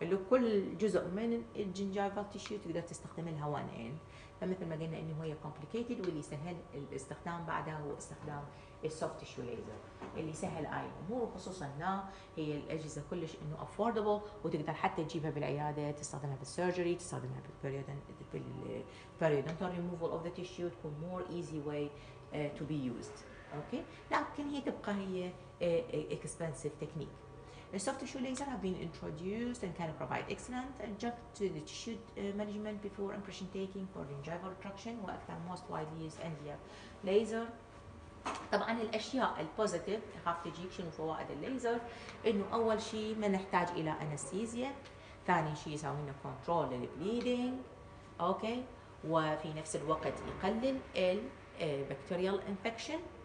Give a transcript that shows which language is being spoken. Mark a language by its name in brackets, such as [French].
[Arabic] كل جزء من الجنجايفال تيشيو تقدر تستخدم الهوانين فمثل ما قلنا انه هي كومبليكيتد واللي سهل الاستخدام بعدها هو استخدام السوفت تيشيو ليزر اللي سهل اي امور خصوصا هي الاجهزه كلش انه افوردبل وتقدر حتى تجيبها بالعياده تستخدمها بالسيرجري تستخدمها [English] بالبيريودنتال removal of the tissue [Arabic] تكون [English] more easy way to be used [Arabic] اوكي لكن هي تبقى هي [English] expensive technique. The soft tissue laser have been introduced and can provide excellent adjunct to the tissue management before impression taking for gingival retraction. [Arabic] وأكثر [English] most widely used NDF laser. [Arabic] طبعاً الأشياء البوزيتيف هاف تجيك شنو فوائد الليزر إنه أول شيء ما نحتاج إلى أنستيزيا. ثاني شيء يساوينا control للبليدينج. أوكي. وفي نفس الوقت يقلل البكتيريال [English] infection.